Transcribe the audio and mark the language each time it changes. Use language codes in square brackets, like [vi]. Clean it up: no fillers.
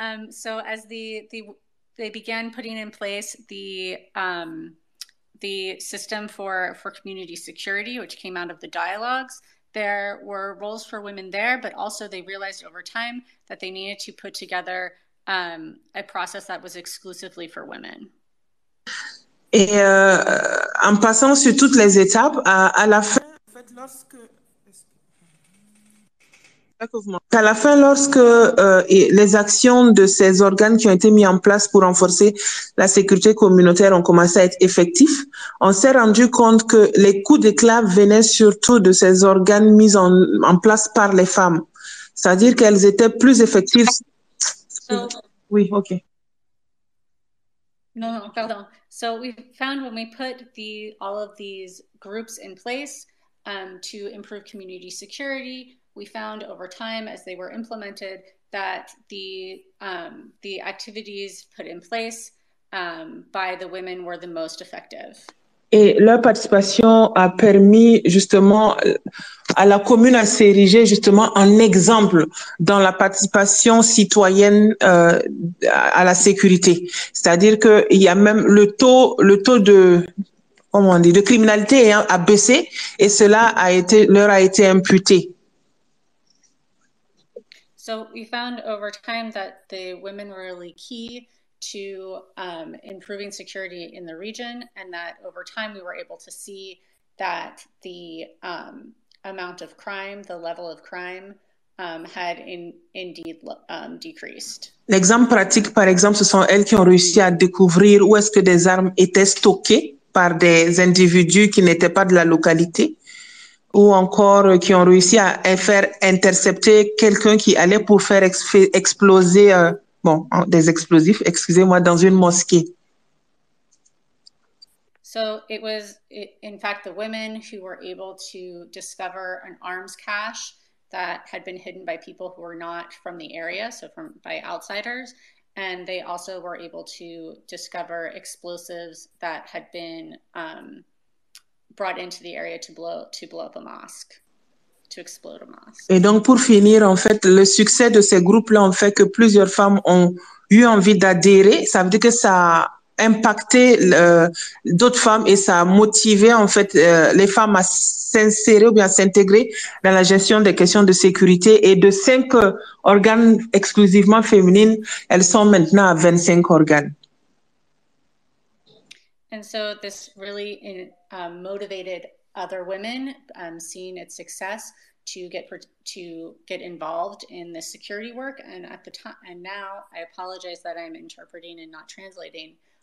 [en] So as they began putting in place the system for community security, which came out of the dialogues, there were roles for women there, but also they realized over time that they needed to put together a process that was exclusively for women. [fr] Et en passant sur toutes les étapes, à la fin, à la fin, lorsque les actions de ces organes qui ont été mis en place pour renforcer la sécurité communautaire ont commencé à être effectifs, on s'est rendu compte que les coups d'éclat venaient surtout de ces organes mis en place par les femmes. C'est-à-dire qu'elles étaient plus effectives. Oui, OK. Non, pardon. [en] So we found when we put all of these groups in place to improve community security, we found over time as they were implemented that the activities put in place by the women were the most effective. [fr] Et leur participation a permis justement à la commune à s'ériger justement en exemple dans la participation citoyenne à la sécurité. C'est-à-dire que il y a même le taux de comment on dit de criminalité a baissé et cela leur a été imputé. [en] So we found over time that the women were really key to improving security in the region, and that over time we were able to see that the amount of crime, the level of crime, had indeed decreased. [fr] L'exemple pratique, par exemple, ce sont elles qui ont réussi à découvrir où est-ce que des armes étaient stockées par des individus qui n'étaient pas de la localité, ou encore qui ont réussi à faire intercepter quelqu'un qui allait pour faire exploser des explosifs, excusez-moi, dans une mosquée. [en] So it was in fact the women who were able to discover an arms cache that had been hidden by people who were not from the area, so by outsiders, and they also were able to discover explosives that had been brought into the area to blow up a mosque, to explode a mosque. [fr] Et donc pour finir, en fait, le succès de ces groupes-là en fait que plusieurs femmes ont eu envie d'adhérer. Ça veut dire que ça a impacté d'autres femmes et ça a motivé en fait les femmes à s'insérer ou bien à s'intégrer dans la gestion des questions de sécurité. Et de 5 organes exclusivement féminines, elles sont maintenant à 25 organes. [en] And so this really motivated other women, seeing its success, to get involved in the security work. And at the time, and now, I apologize that I'm interpreting and not translating.